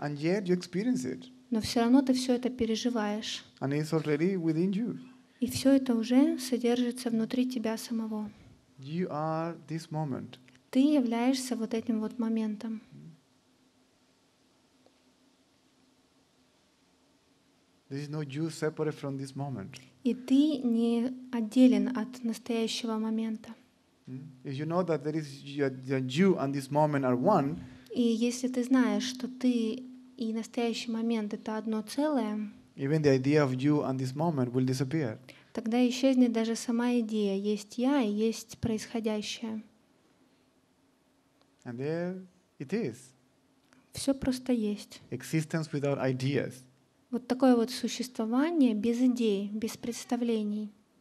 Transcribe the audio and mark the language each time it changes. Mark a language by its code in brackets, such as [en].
[en] And yet you experience it. [ru] Но все равно ты все это переживаешь. [en] And it's already within you. [ru] И все это уже содержится внутри тебя самого. [en] You are this moment. [ru] Ты являешься вот этим вот моментом. [en] There is no you separate from this moment. [ru] И ты не отделен от настоящего момента. [en] If you know that there is that you and this moment are one. [ru] И если ты знаешь, что ты и настоящий момент это одно целое. [en] Even the idea of you and this moment will disappear. [ru] Тогда исчезнет даже сама идея. Есть я и есть происходящее. [en] And there it is. [ru] Все просто есть. [en] Existence without ideas. [ru] Вот такое вот существование без идей, без представлений.